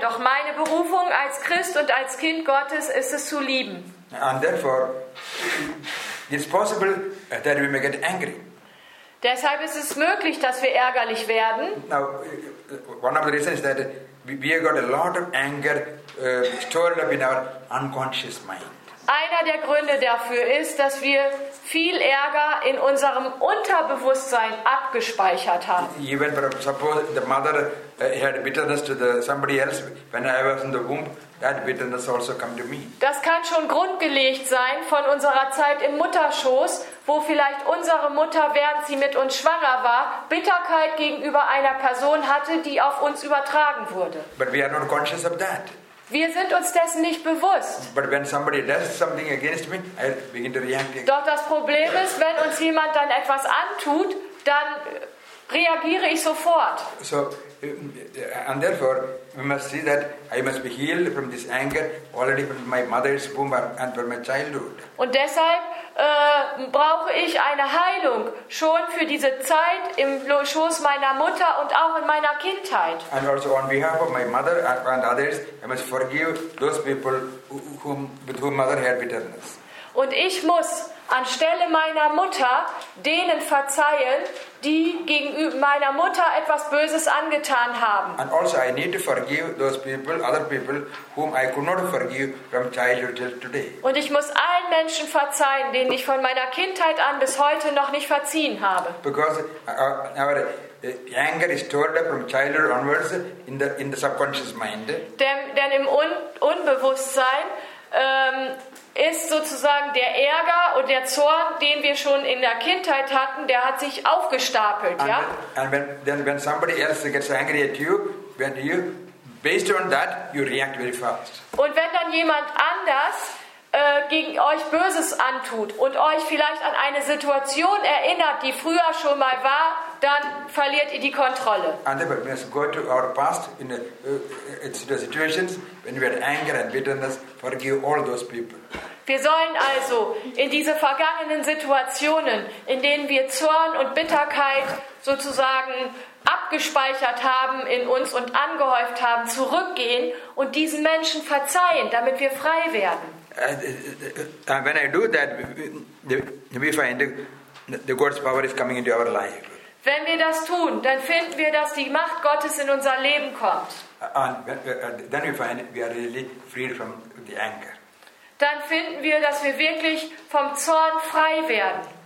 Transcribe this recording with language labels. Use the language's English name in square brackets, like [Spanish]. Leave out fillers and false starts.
[German] Doch meine Berufung als Christ und als Kind Gottes ist es zu lieben. [English] And therefore, it's possible that we may get angry. [German] Deshalb ist es möglich, dass wir ärgerlich werden. [English] Now, one of the reasons is that we have got a lot of anger stored up in our unconscious mind. [German] Einer der Gründe dafür ist, dass wir viel Ärger in unserem Unterbewusstsein abgespeichert haben. [English] Even suppose the mother had bitterness to somebody else when I was in the womb, that bitterness also come to me. [German] Das kann schon grundgelegt sein von unserer Zeit im Mutterschoß, wo vielleicht unsere Mutter, während sie mit uns schwanger war, Bitterkeit gegenüber einer Person hatte, die auf uns übertragen wurde. [English] But we are not conscious of that. [German] Wir sind uns dessen nicht bewusst. [English] But when somebody does something against me, I begin to react. [German] Doch das Problem ist, wenn uns jemand dann etwas antut, dann reagiere ich sofort. [English] So, and therefore, we must see that I must be healed from this anger already from my mother's womb and from my childhood. [German] Und deshalb brauche ich eine Heilung schon für diese Zeit im Schoß meiner Mutter und auch in meiner Kindheit. [English] And also on behalf of my mother and others, I must forgive those people whom, with whom mother had bitterness. [German] Und ich muss anstelle meiner Mutter denen verzeihen, die gegenüber meiner Mutter etwas Böses angetan haben. [English] And also I need to forgive those people, other people, whom I could not forgive from childhood till today. [German] Und ich muss allen Menschen verzeihen, denen ich von meiner Kindheit an bis heute noch nicht verziehen habe. [English] Because our anger is stored up from childhood onwards in the subconscious mind. [German] Denn im Unbewusstsein ist sozusagen der Ärger und der Zorn, den wir schon in der Kindheit hatten, der hat sich aufgestapelt, [English] and [German] ja? [English] Then, and when somebody else gets angry at you, when you based on that, you react very fast. [German] Und wenn dann jemand anders gegen euch Böses antut und euch vielleicht an eine Situation erinnert, die früher schon mal war, dann verliert ihr die Kontrolle. [English] And we must go to our past in the situations when we had anger and bitterness, forgive all those people. [German] Wir sollen also in diese vergangenen Situationen, in denen wir Zorn und Bitterkeit sozusagen abgespeichert haben in uns und angehäuft haben, zurückgehen und diesen Menschen verzeihen, damit wir frei werden. [English] And when I do that, we find the God's power is coming into our life. [German] Wenn wir das tun, dann finden wir, dass die Macht Gottes in unser Leben kommt. [English] And then we find we are really freed from the anger. [German] Dann finden wir, dass wir wirklich vom Zorn frei werden.